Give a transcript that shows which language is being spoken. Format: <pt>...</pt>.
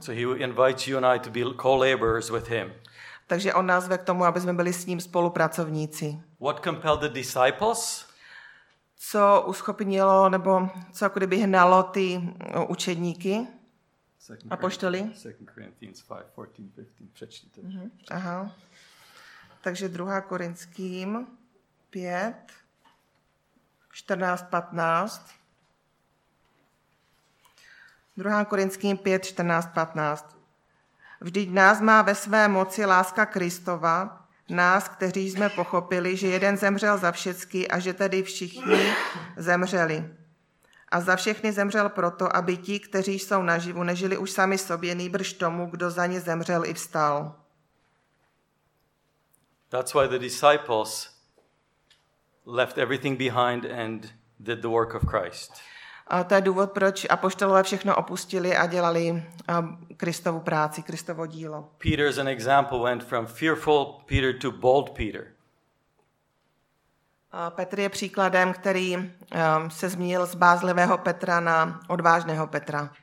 <en>So he invites you and I to be co-laborers with him.</en> <cs>Takže on nás ve k tomu, aby jsme byli s ním spolupracovníci.</cs> <en>What compelled the disciples?</en> <cs>Co uschopnilo, nebo co jako kdyby hnalo ty učedníky, apoštoly? 2 Corinthians 5, 14-15, přečtěte. Mm-hmm. Aha. Takže 2 Korinským 5, 14-15. 2 Korinským 5, 14-15. Vždyť nás má ve své moci láska Kristova, nás, kteří jsme pochopili, že jeden zemřel za všechny a že tedy všichni zemřeli. A za všechny zemřel proto, aby ti, kteří jsou naživu, nežili už sami sobě, nýbrž tomu, kdo za ně zemřel i vstal.</cs> <en>That's why the disciples left everything behind and did the work of Christ.</en> <cs>A to je důvod, proč apoštolové všechno opustili a dělali Kristovu práci, Kristovo dílo.</cs> <en>Peter as an example went from fearful Peter to bold Peter.</en> <cs>A Petr je příkladem, který se změnil z bázlivého Petra na odvážného Petra.</cs>